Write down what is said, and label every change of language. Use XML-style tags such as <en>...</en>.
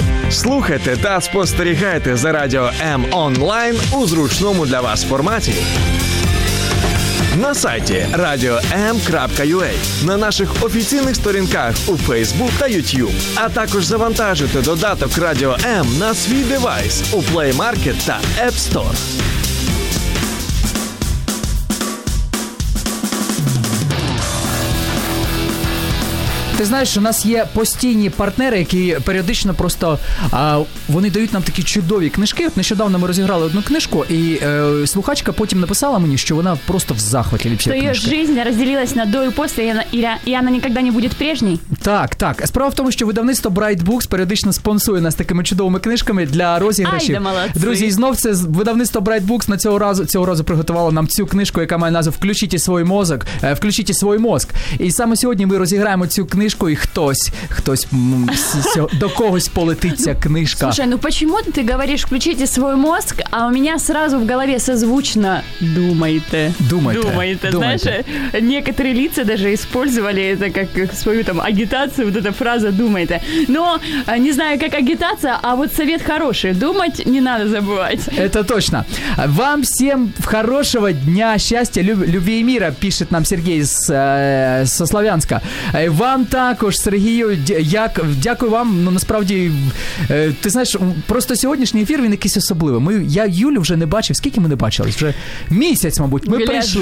<uk>Слухайте та спостерігайте за Радіо М онлайн у зручному для вас форматі. На сайті radio.m.ua, на наших офіційних сторінках у Facebook та YouTube, а також завантажуйте додаток Радіо М на свій девайс у Play Market та App Store. Ти знаєш, у нас є постійні партнери, які періодично просто вони дають нам такі чудові книжки. От нещодавно ми розіграли одну книжку, і слухачка потім написала мені, що вона просто в захваті від цієї книжки. Що її життя розділилась на до і після, і вона ніколи не буде прежній? Так, так. Справа в тому, що видавництво Bright Books періодично спонсує нас такими чудовими книжками для розіграшів. Ай, да, молодці. Друзі, і знов це видавництво Bright Books на цього разу приготувало нам цю книжку, яка має назву «Включіть свій мозок». І саме сьогодні ми розіграємо цю книжку. книжку, і хтось до когось полетить ця книжка.</uk> <ru>Слушай, ну почему ты говоришь включите свой мозг, а у меня сразу в голове созвучно думайте. Думайте. Знаешь, некоторые лица даже использовали это как свою там агитацию, вот эта фраза думайте. Но не знаю, как агитация, а вот совет хороший. Думать не надо забывать. Это точно. Вам всем хорошего дня, счастья, любви и мира, пишет нам Сергей со Славянска.</ru> <uk>Вам також, Сергію, дякую вам, ну, насправді, ти знаєш, просто сьогоднішній ефір, він якийсь особливий. Я Юлю вже не бачив, скільки ми не бачились? Вже місяць, мабуть, ми прийшли.</uk>